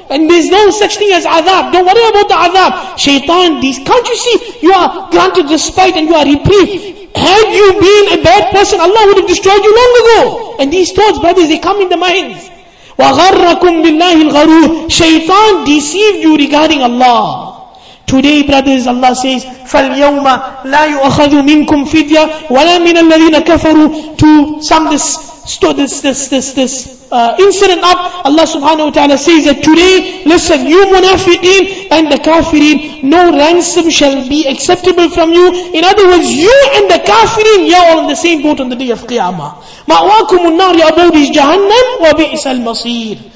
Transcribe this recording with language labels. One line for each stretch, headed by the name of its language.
English: And there's no such thing as azab. Don't worry about the azab. Shaitan, can't you see? You are granted respite and you are reprieved. Had you been a bad person, Allah would have destroyed you long ago. And these thoughts, brothers, they come in the minds.
Arabic: وَغَرَّكُمْ بِاللَّهِ الْغَرُورِ
English: Shaitan deceived you regarding Allah. Today, brothers, Allah says,
Arabic: فَالْيَوْمَ لَا يُؤَخَذُ مِنْكُمْ فِدْيَةٌ وَلَا مِنَ الَّذِينَ كَفَرُوا
English: To some this stood this incident up, Allah subhanahu wa ta'ala says that today, listen, you munafiqeen and the kafirin, no ransom shall be acceptable from you. In other words, you and the kafirin, you're all in the same boat on the day of Qiyamah.
Arabic: Ma'wakumun nar ya abodi is Jahannam wa bi'isal masir.